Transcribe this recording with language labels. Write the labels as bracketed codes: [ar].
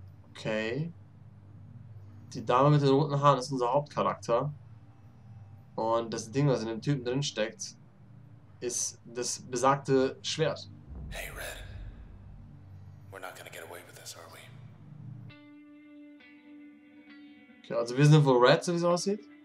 [de] Okay. Die Dame mit den roten Haaren ist unser Hauptcharakter. Und das Ding, was in dem Typen drin steckt, ist das besagte Schwert. [en] Hey Red. We're not gonna get away with this, are we? [de] Okay, also wir sind wohl Red, so wie es aussieht.